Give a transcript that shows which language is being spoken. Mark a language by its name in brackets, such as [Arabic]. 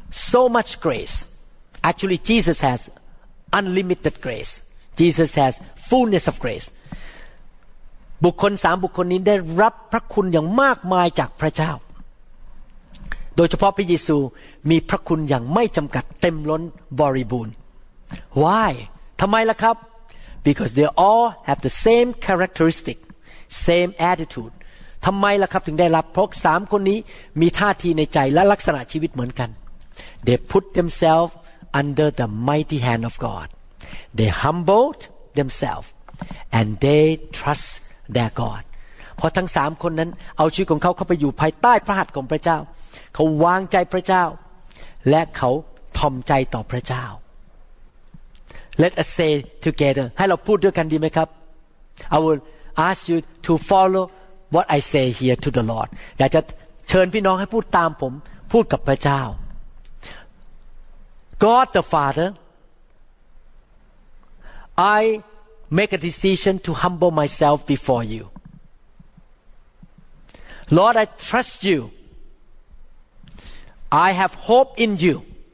[English] so much grace actually Jesus has unlimited grace Jesus has fullness of grace บุคคล3บุคคลนี้ได้รับพระคุณอย่างมากมายจากพระเจ้าโดยเฉพาะพระเยซูมีพระคุณอย่างไม่จำกัดเต็มล้นบริบูรณ์ why ทำไมล่ะครับ Because they all have the same characteristic, same attitude. [Thai] ทำไมล่ะครับถึงได้รับเพราะสามคนนี้มีท่าทีในใจและลักษณะชีวิตเหมือนกัน They put themselves under the mighty hand of God. [English] they humbled themselves and they trust their God. [Thai] เพราะทั้ง3คนนั้นเอาชีวิตของเขาเข้าไปอยู่ภายใต้พระหัตถ์ของพระเจ้าเขาวางใจพระเจ้าและเขาทอมใจต่อพระเจ้า [English] Let us say together. ให้เราพูดด้วยกันดีไหมครับ I will ask you to follow what I say here to the Lord. [Thai] อยากจะเชิญพี่น้องให้พูดตามผมพูดกับพระเจ้า [English] God the Father, I make a decision to humble myself before you. Lord, I trust you. I have hope in you.